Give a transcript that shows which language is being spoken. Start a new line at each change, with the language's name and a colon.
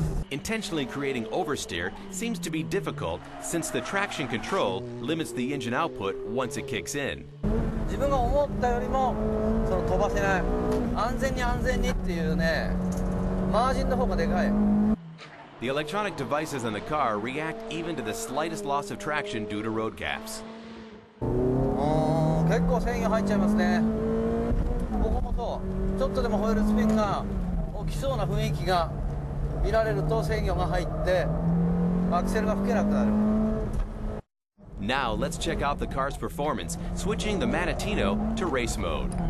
English: Intentionally creating oversteer seems to be difficult since the traction control limits the engine output once it kicks in.
Japanese: 自分が思ったよりもその飛ばせない、安全に安全にっていうね、マージンの方がでかい。
English: The electronic devices on the car react even to the slightest loss of traction due to road gaps.
Japanese: 結構制御入っちゃいますね。ここもそう、ちょっとでもホイールスピンが起きそうな雰囲気が見られると制御が入ってアクセルが吹けなくなる。
English: Now let's check out the car's performance, switching the Manettino to race mode.